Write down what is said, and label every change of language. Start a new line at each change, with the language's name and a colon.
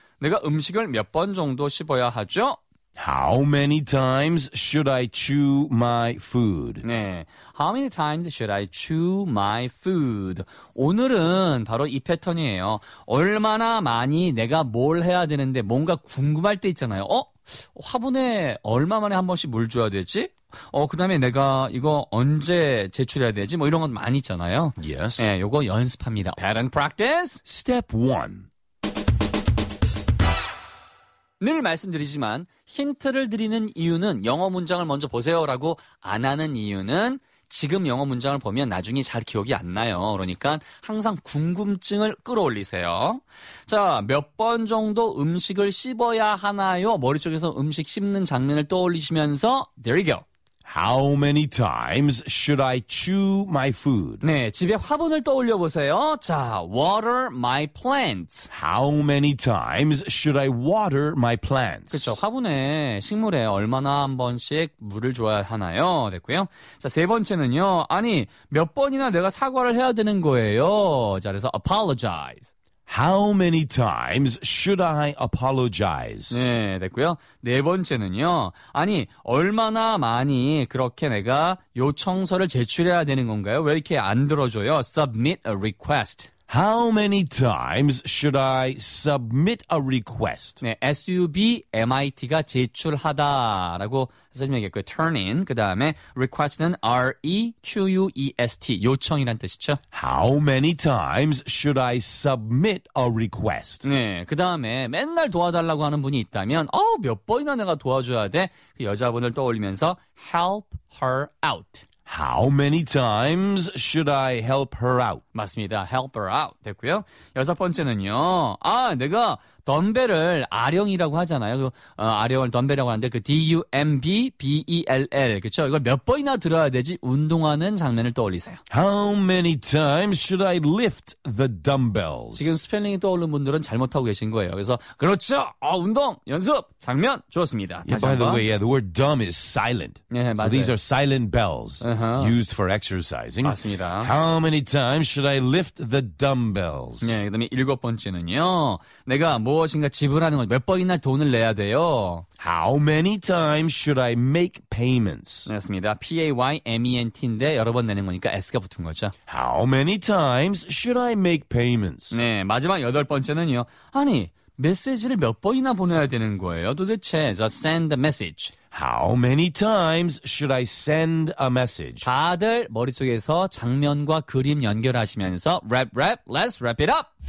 Korean: 내가 음식을 몇 번 정도 씹어야 하죠?
English: How many times should I chew my food?
Korean: 네.
English: How many times should I chew my food?
Korean: 오늘은 바로 이 패턴이에요. 얼마나 많이 내가 뭘 해야 되는데 뭔가 궁금할 때 있잖아요. 어? 화분에 얼마 만에 한 번씩 물 줘야 되지? 그 다음에 내가 이거 언제 제출해야 되지? 뭐 이런 것 많이 있잖아요.
English: Yes.
Korean: 네, 요거 연습합니다.
English: Pattern practice. Step one.
Korean: 늘 말씀드리지만 힌트를 드리는 이유는 영어 문장을 먼저 보세요라고 안 하는 이유는 지금 영어 문장을 보면 나중에 잘 기억이 안 나요. 그러니까 항상 궁금증을 끌어올리세요. 자, 몇 번 정도 음식을 씹어야 하나요? 머릿속에서 음식 씹는 장면을 떠올리시면서
English: There you go. How many times should I chew my food?
Korean: 네, 집에 화분을 떠올려 보세요.
English: 자, water my plants. How many times should I water my plants?
Korean: 그렇죠. 화분에 식물에 얼마나 한 번씩 물을 줘야 하나요? 됐고요. 자, 세 번째는요. 아니, 몇 번이나 내가 사과를 해야 되는 거예요? 자, 그래서 apologize.
English: How many times should I apologize?
Korean: 네, 됐고요. 네 번째는요. 아니, 얼마나 많이 그렇게 내가 요청서를 제출해야 되는 건가요? 왜 이렇게 안 들어줘요?
English: Submit a request. How many times should I submit a request?
Korean: 네, S-U-B-M-I-T가 제출하다라고 선생님이 얘기했고요.
English: Turn in,
Korean: 그 다음에 request는 R-E-Q-U-E-S-T, 요청이란 뜻이죠.
English: How many times should I submit a request?
Korean: 네, 그 다음에 맨날 도와달라고 하는 분이 있다면 몇 번이나 내가 도와줘야 돼? 그 여자분을 떠올리면서
English: help her out. How many times should I help her out?
Korean: 맞습니다.
English: Help her out.
Korean: 됐고요. 여섯 번째는요. 아, 내가 덤벨을 아령이라고 하잖아요. 아령을 덤벨이라고 하는데 그 D-U-M-B-B-E-L-L. 그렇죠? 이걸 몇 번이나 들어야 되지? 운동하는 장면을 떠올리세요.
English: How many times should I lift the dumbbells?
Korean: 지금 스펠링이 떠오른 분들은 잘못하고 계신 거예요. 그래서 그렇죠. 운동, 연습, 장면 좋습니다.
English: Yeah, by the way, yeah, the word dumb is silent.
Korean: 네, 맞아요.
English: So these are silent bells used for exercising.
Korean: 맞습니다.
English: How many times should I lift the dumbbells?
Korean: 네, 그다음에 일곱 번째는요. 내가 무엇인가 지불하는 건 몇 번이나 돈을 내야 돼요?
English: How many times should I make payments?
Korean: 맞습니다. P-A-Y-M-E-N-T인데 여러 번 내는 거니까 S가 붙은 거죠.
English: How many times should I make payments?
Korean: 네, 마지막 여덟 번째는요. 아니, 메시지를 몇 번이나 보내야 되는 거예요? 도대체,
English: so send a message. How many times should I send a message?
Korean: 다들 머릿속에서 장면과 그림 연결하시면서 랩, 랩,
English: let's wrap it up!